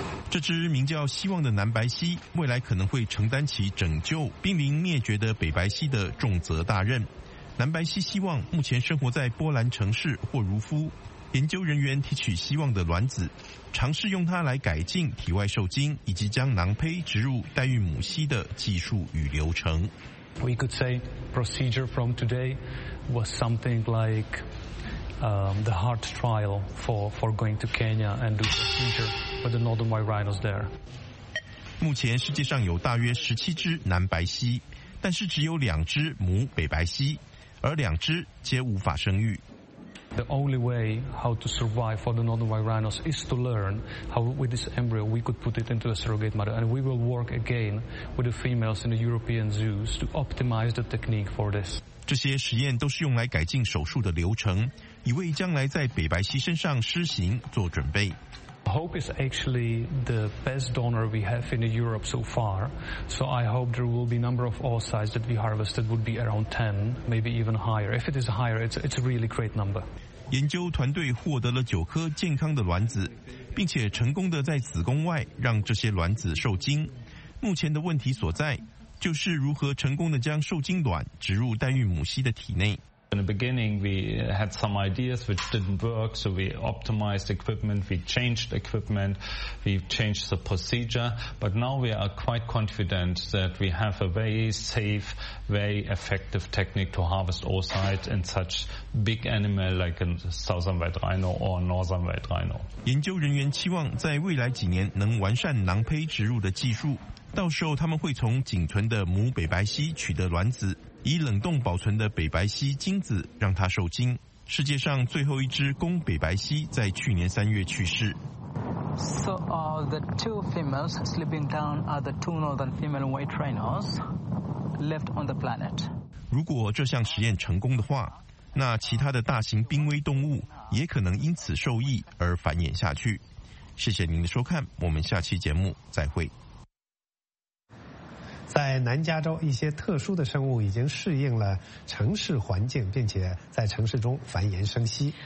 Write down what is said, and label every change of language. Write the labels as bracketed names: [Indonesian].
[Chinese] 这只名叫希望的南白犀未来可能会承担起拯救濒临灭绝的北白犀的重责大任。南白犀希望目前生活在波兰城市霍茹夫，研究人员提取希望的卵子，尝试用它来改进体外受精以及将囊胚植入代孕母犀的技术与流程。 [English] We could say procedure from today was something like the heart trial for going to Kenya and do procedure with the northern white rhinos there. [Chinese] 目前世界上有大约17只南白犀，但是只有两只母北白犀，而两只皆无法生育。 [English] The only way how to survive for the northern white rhinos is to learn how with this embryo we could put it into a surrogate mother, and we will work again with the females in the European zoos to optimize the technique for this. [Chinese] 这些实验都是用来改进手术的流程，以为将来在北白犀身上施行做准备。 [English] Hope is actually the best donor we have in Europe so far. So I hope there will be number of oocytes that we harvested would be around 10, maybe even higher. If it is higher, it's a really great number. [Chinese] 研究团队获得了9颗健康的卵子，并且成功的在子宫外让这些卵子受精。目前的问题所在就是如何成功的将受精卵植入代孕母犀的体内。 [English] In the beginning, we had some ideas which didn't work, so we optimized equipment, we changed equipment, we changed the procedure, but now we are quite confident that we have a very safe, very effective technique to harvest oocytes in such big animal like a southern white rhino or northern white rhino. [Chinese] 研究人员期望在未来几年能完善囊胚植入的技术，到时候他们会从仅存的母北白犀取得卵子，以冷冻保存的北白犀精子让它受精。世界上最后一只公北白犀在去年三月去世。 [English] So the two females sleeping down are the two northern female white rhinos left on the planet. [Chinese] 如果这项实验成功的话，那其他的大型濒危动物也可能因此受益而繁衍下去。谢谢您的收看，我们下期节目再会。在南加州，一些特殊的生物已经适应了城市环境，并且在城市中繁衍生息。